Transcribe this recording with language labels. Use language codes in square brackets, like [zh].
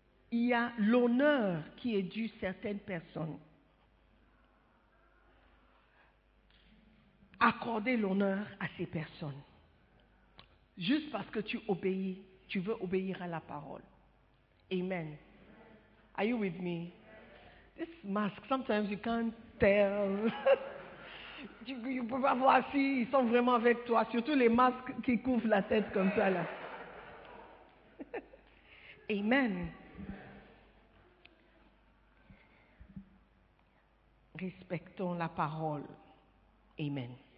[fr] Il y a l'honneur qui est dû à certaines personnes. Accorder l'honneur à ces personnes. Juste parce que tu obéis, tu veux obéir à la parole. [en] Amen. Are you with me? This mask, sometimes you can't tell. [fr] You peux pas voir si ils sont vraiment avec toi, surtout les masques qui couvrent la tête comme ça là. Amen. Respectons la parole. Amen.